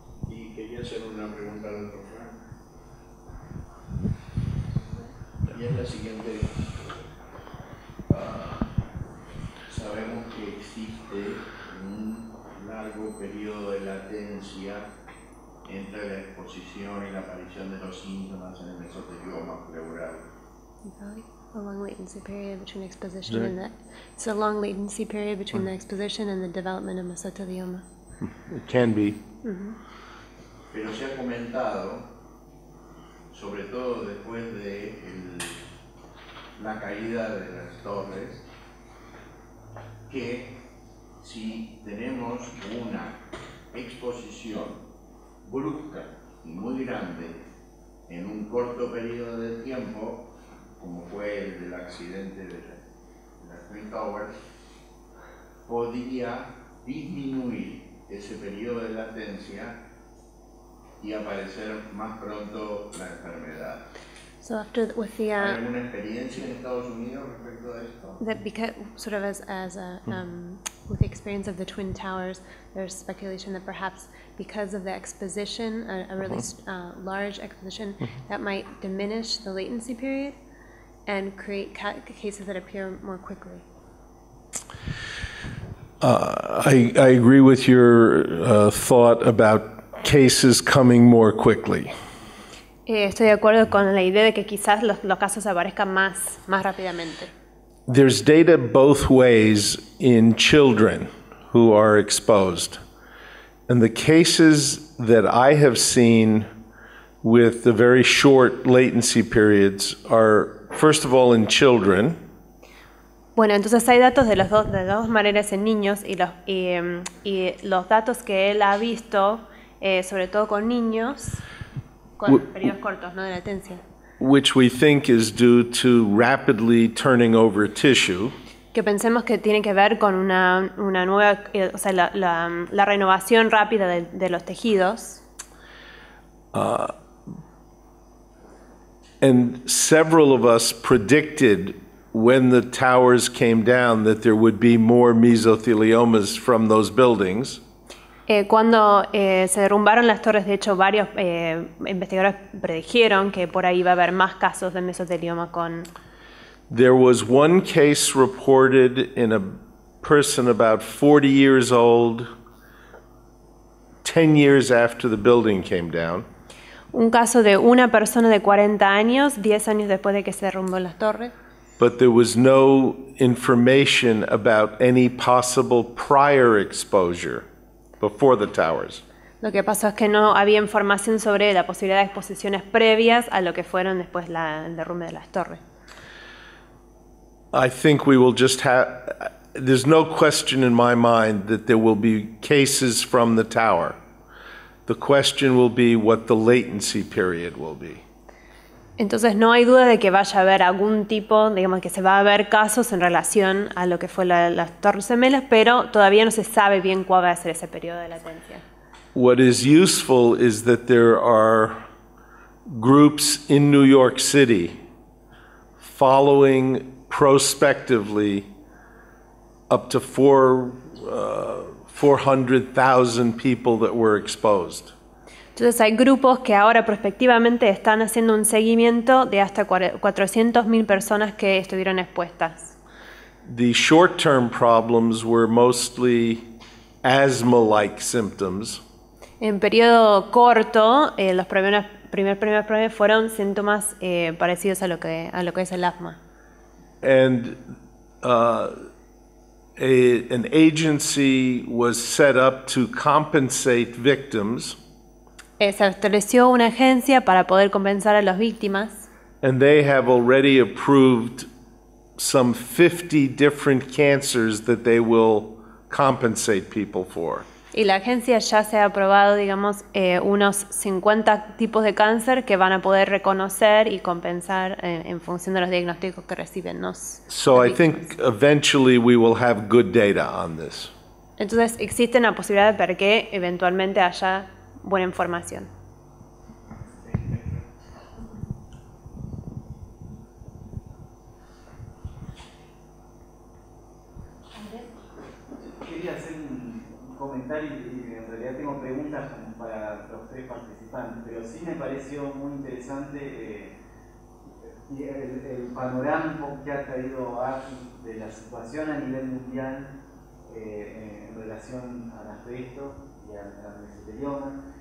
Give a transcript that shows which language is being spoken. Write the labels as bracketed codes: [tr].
[es] Y quería hacer una pregunta al doctor Frank. Y es la siguiente. Sabemos que existe largo periodo de latencia entre la exposición y la aparición de los síntomas en el mesotelioma pleural. [en] A long latency period between exposition and the, it's a long latency period between the exposition and the development of mesotelioma. It can be. Mm-hmm. [es] Pero se ha comentado, sobre todo después de la caída de las torres, que si tenemos una exposición brusca y muy grande en un corto periodo de tiempo, como fue el del accidente de la Twin Towers, podría disminuir ese periodo de latencia y aparecer más pronto la enfermedad. [en] So after the, with the [es] ¿alguna experiencia en Estados Unidos respecto a esto? [en] That because, sort of as a with the experience of the Twin Towers, there's speculation that perhaps because of the exposition, a really large exposition, that might diminish the latency period and create cases that appear more quickly. I agree with your thought about cases coming more quickly. [es] Estoy de acuerdo con la idea de que quizás los casos aparezcan más rápidamente. [en] There's data both ways in children who are exposed. And the cases that I have seen with the very short latency periods are, first of all, in children. [es] Bueno, entonces hay datos de dos maneras en niños, y los datos que él ha visto, sobre todo con niños, con periodos cortos, ¿no?, de latencia. [en] Which we think is due to rapidly turning over tissue. [es] Que pensemos que tiene que ver con una nueva, o sea, la renovación rápida de los tejidos. [en] And several of us predicted when the towers came down that there would be more mesotheliomas from those buildings. [es] Cuando se derrumbaron las torres, de hecho, varios investigadores predijeron que por ahí iba a haber más casos de mesotelioma con... [en] There was one case reported in a person about 40 years old, 10 years after the building came down. [es] Un caso de una persona de 40 años, 10 años después de que se derrumbó las torres. [en] But there was no information about any possible prior exposure before the towers. [es] Lo que pasó es que no había información sobre la posibilidad de exposiciones previas a lo que fueron después el derrumbe de las torres. [en] I think we will just have, there's no question in my mind that there will be cases from the tower. The question will be what the latency period will be. [es] Entonces no hay duda de que vaya a haber algún tipo, digamos que se va a haber casos en relación a lo que fue las Torres Gemelas, pero todavía no se sabe bien cuál va a ser ese periodo de latencia. [en] What is useful is that there are groups in New York City following prospectively up to 400,000 people that were exposed. [es] Entonces hay grupos que ahora prospectivamente están haciendo un seguimiento de hasta 400,000 personas que estuvieron expuestas. [en] The short-term problems were mostly asthma-like symptoms. [es] En periodo corto, los primeros problemas fueron síntomas parecidos a lo que es el asma. [en] And an agency was set up to compensate victims. [es] Se estableció una agencia para poder compensar a las víctimas. [en] And they have already approved some 50 different cancers that they will compensate people for. [es] Y la agencia ya se ha aprobado, digamos, unos 50 tipos de cáncer que van a poder reconocer y compensar en función de los diagnósticos que reciben los víctimas. [en] So I think eventually we will have good data on this. [es] Entonces existe una posibilidad de que eventualmente haya buena información. Quería hacer un comentario y en realidad tengo preguntas para los tres participantes, pero sí me pareció muy interesante el panorama que ha traído Arti de la situación a nivel mundial en relación al asbesto y al mesotelioma.